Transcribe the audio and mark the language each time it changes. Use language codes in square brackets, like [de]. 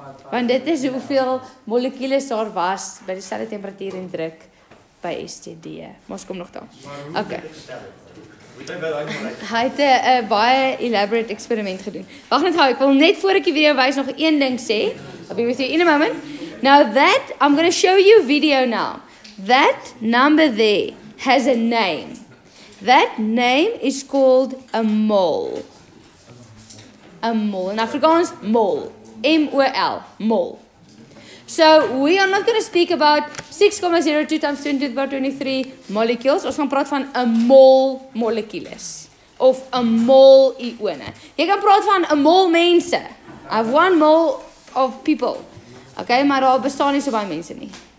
[af] Want dit is hoeveel molekules daar was by dieselfde temperatuur en druk by STD. Maar ons kom nog daar. Okay. Hy het 'n baie [en] elaborate experiment [af] gedoen. Wag net gou, ek wil net voor ek die video wys nog een ding sê. [en] I'll be with you in a moment. Now that, I'm going to show you video now. That number there has a name. That name is called a mole. A mole. In Afrikaans, mole. M-O-L, mol. So, we are not going to speak about 6,02 times 10 to the power 23 molecules. [af] Ons gaan praat van 'n mol molekules. Of 'n mol ione. Jy kan praat van 'n mol mense. [en] I have one mol of people. [af] Okay, maar daar bestaan nie so baie mense nie.